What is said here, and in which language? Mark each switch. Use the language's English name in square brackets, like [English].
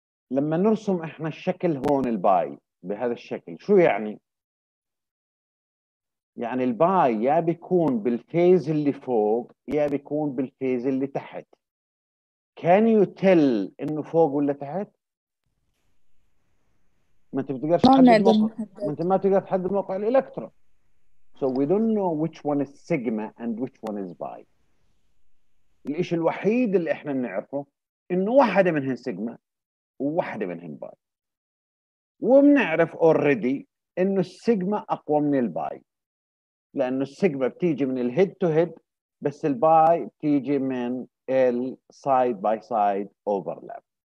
[Arabic] لما نرسم احنا الشكل هون الباي بهذا الشكل شو يعني؟ يعني الباي يا بيكون بالفيز اللي فوق يا بيكون بالفيز اللي تحت. [English] Can you tell [Arabic] انه فوق ولا تحت؟ ما انت بتقدر تحدد الموقع، انت ما تقدر تحدد موقع الالكترون. [English] So we don't know which one is sigma and which one is pi. [Arabic] الاشي الوحيد اللي احنا نعرفه انه واحدة منهن سيجما وواحدة منهن باي. وبنعرف already انه السيجما اقوى من الباي، لأنه السيجما بتيجي من الهيد تو هيد، بس الباي بتيجي من السايد باي سايد اوفرلاب.